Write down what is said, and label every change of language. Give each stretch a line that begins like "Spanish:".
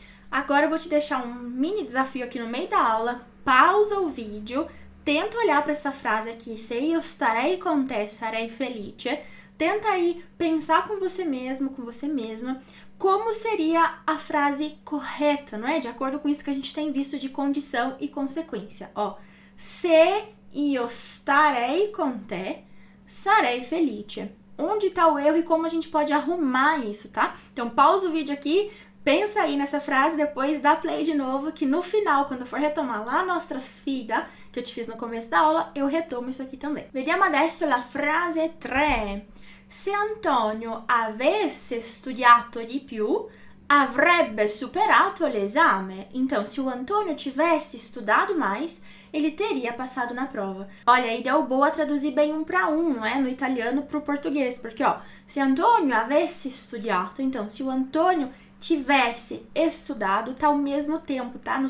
Portuguese: Agora eu vou te deixar um mini desafio aqui no meio da aula. Pausa o vídeo, tenta olhar para essa frase aqui,
Italian: se io starei con te, sarei felice.
Portuguese: Tenta aí pensar com você mesmo, com você mesma, como seria a frase correta, não é? De acordo com isso que a gente tem visto de condição e consequência. Ó,
Italian: se io starei con te, sarei felice.
Portuguese: Onde está o erro e como a gente pode arrumar isso, tá? Então, pausa o vídeo aqui. Pensa aí nessa frase, depois dá play de novo, que no final, quando for retomar lá nossas figas, que eu te fiz no começo da aula, eu retomo isso aqui também.
Italian: Vediamo adesso la frase 3. Se Antonio avesse studiato di più, avrebbe superato l'esame.
Portuguese: Então, se o Antonio tivesse estudado mais, ele teria passado na prova. Olha, aí deu boa traduzir bem um para um, não é? No italiano pro português, porque, ó,
Italian: se Antonio avesse studiato,
Portuguese: então, se o Antonio tivesse estudado, tá ao mesmo tempo, tá?